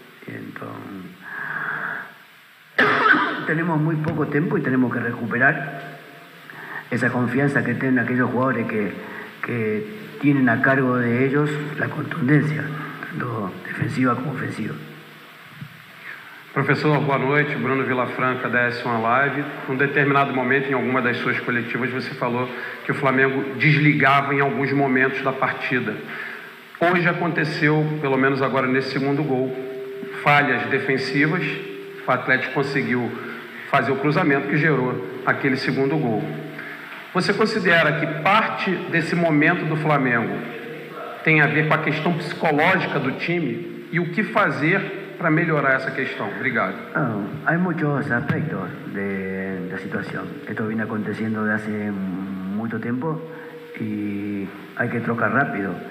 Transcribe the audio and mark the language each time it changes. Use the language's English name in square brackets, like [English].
[Spanish] Entonces, tenemos muy poco tiempo y tenemos que recuperar esa confianza que tienen aquellos jugadores que tienen a cargo de ellos la contundencia, tanto defensiva como ofensiva. [Portuguese] Professor, boa noite. Bruno Vilafranca, da S1 Live. Num determinado momento, em alguma das suas coletivas, você falou que o Flamengo desligava em alguns momentos da partida. Hoje aconteceu, pelo menos agora nesse segundo gol, falhas defensivas. O Atlético conseguiu fazer o cruzamento que gerou aquele segundo gol. Você considera que parte desse momento do Flamengo tem a ver com a questão psicológica do time e o que fazer para [Spanish] mejorar esa cuestión? [Portuguese] Obrigado. [Spanish] Hay muchos aspectos de la situación. Esto viene aconteciendo de hace mucho tiempo y hay que trocar rápido.